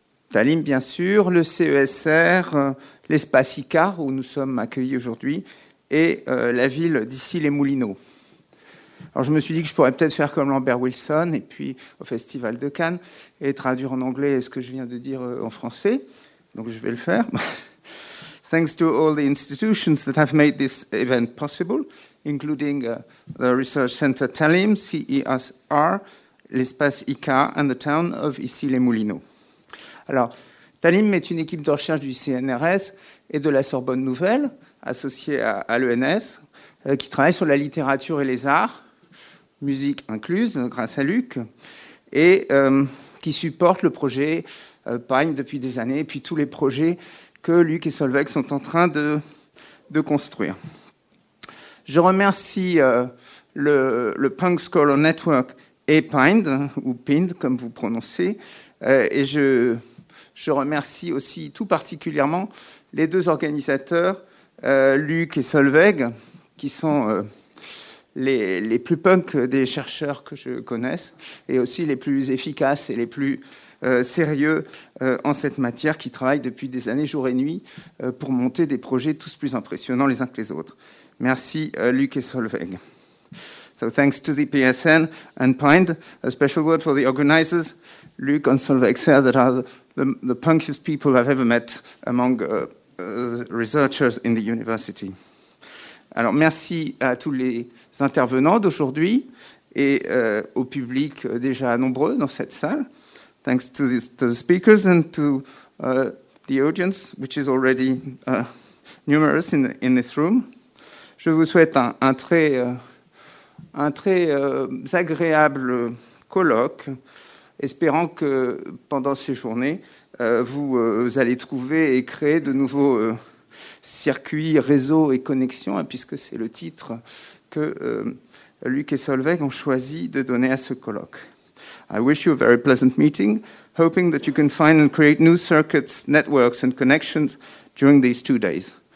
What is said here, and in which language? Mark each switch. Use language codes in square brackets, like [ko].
[fr] Talim, bien sûr, le CESR, l'espace ICAR où nous sommes accueillis aujourd'hui et la ville d'Issy-les-Moulineaux. Alors je me suis dit que je pourrais peut-être faire comme Lambert Wilson et puis au Festival de Cannes et traduire en anglais ce que je viens de dire en français. Donc je vais le faire. [en] Thanks to all the institutions that have made this event possible, including the Research Center Talim, CESR, l'espace ICA and the town of Issy-les-Moulineaux. [fr] Alors Talim est une équipe de recherche du CNRS et de la Sorbonne Nouvelle, associée à l'ENS, qui travaille sur la littérature et les arts, musique incluse, grâce à Luc, et qui supporte le projet Pagne depuis des années, et puis tous les projets que Luc et Solveig sont en train de construire. Je remercie le Punk Scholar Network et Pind, ou Pind, comme vous prononcez, et je remercie aussi tout particulièrement les deux organisateurs, Luc et Solveig, qui sont... Les plus punk des chercheurs que je connaisse, et aussi les plus efficaces et les plus sérieux en cette matière, qui travaillent depuis des années jour et nuit pour monter des projets tous plus impressionnants les uns que les autres. Merci Luc et Solveig. [en] So thanks to the PSN and Pind, a special word for the organizers, Luc and Solveig, say that are the punkiest people I've ever met among researchers in the university. [fr] Alors, merci à tous les intervenants d'aujourd'hui et au public déjà nombreux dans cette salle. [en] Thanks to the speakers and to the audience, which is already numerous in this room. [fr] Je vous souhaite un très agréable colloque, espérant que pendant ces journées, vous allez trouver et créer de nouveaux... circuits, réseaux et connexions, puisque c'est le titre que Luc et Solveig ont choisi de donner à ce colloque. [en] I wish you a very pleasant meeting, hoping that you can find and create new circuits, networks and connections during these 2 days.